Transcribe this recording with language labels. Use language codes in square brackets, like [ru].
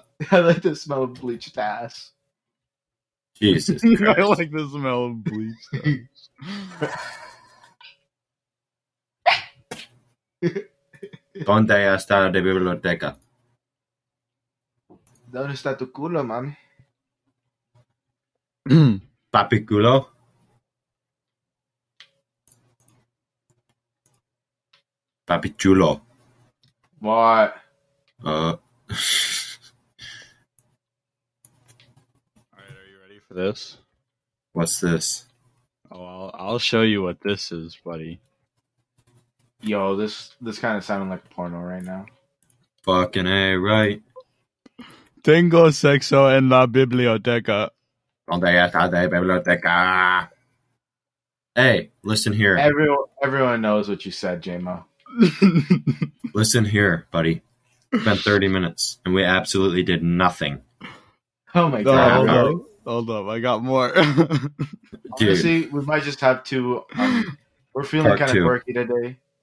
[en] I like the smell of bleached ass. Jesus Christ. I like the smell of bleached ass. [es] ¿Dónde está la biblioteca? ¿Dónde está tu culo, mami? Papi culo. Papi chulo. [en] What? Are This? What's this? Oh, I'll show you what this is, buddy. Yo, this kind of sounding like porno right now. Fucking A, right. [es] Tengo sexo en la biblioteca. ¿Dónde está la biblioteca? [en] Hey, listen here. Everyone knows what you said, J-Mo. Listen here, buddy. Spent 30 minutes, and we absolutely did nothing. Oh, my God. Hold up. I got more. Dude. Honestly, we might just have to. We're feeling part kind two. Of quirky today.